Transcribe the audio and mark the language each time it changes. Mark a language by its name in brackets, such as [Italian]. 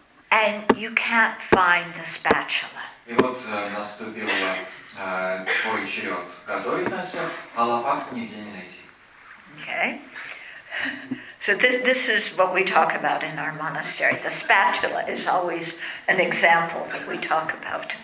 [English] And you can't find the spatula. [Russian] И вот наступил твой черед готовить на все, а лопатку нигде не найти. [English] Okay. So this is what we talk about in our monastery. The spatula is always an example that we talk about.